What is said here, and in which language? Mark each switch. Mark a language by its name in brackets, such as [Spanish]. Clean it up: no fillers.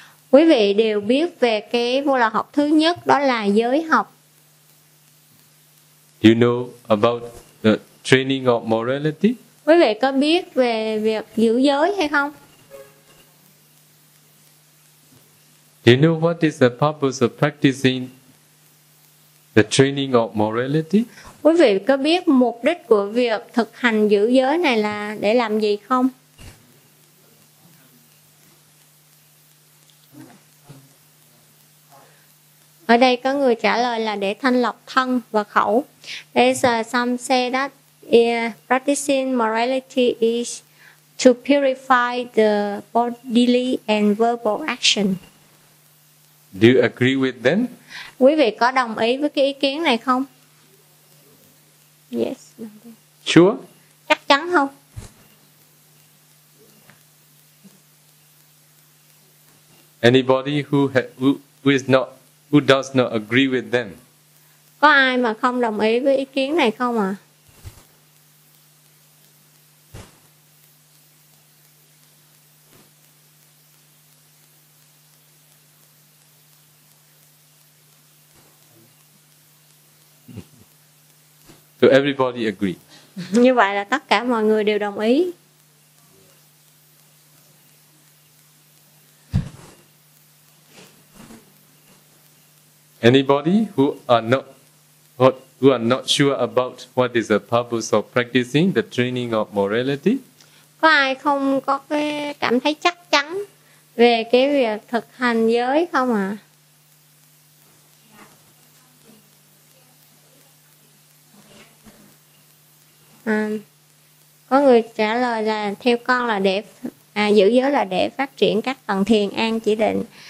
[Vietnamese] Quý vị đều biết về cái vô lậu học thứ nhất, đó là giới học. [English] You know about the training of morality? [Vietnamese] Quý vị có biết về việc giữ giới hay không? [English] You know what is the purpose of practicing the training of morality? [Vietnamese] Quý vị có biết mục đích của việc thực hành giữ giới này là để làm gì không? Ở đây có người trả lời là để thanh lọc thân và khẩu. [English] There's some say that practicing morality is to purify the bodily and verbal action. Do you agree with them? [Vietnamese] Quý vị có đồng ý với cái ý kiến này không? [English] Yes. Sure? [Vietnamese] Chắc chắn không? [English] Anybody who is not who does not agree with them? [Vietnamese] Có ai mà không đồng ý với ý kiến này không à? [English] So everybody agree. [Vietnamese] Như vậy là tất cả mọi người đều đồng ý. [English] Anybody who are not sure about what is the purpose of practicing the training of morality? [Vietnamese] Có ai không có cái cảm thấy chắc chắn về cái việc thực hành giới không ạ? Có người trả lời là theo con là để giữ giới là để phát triển các tầng thiền an chỉ định.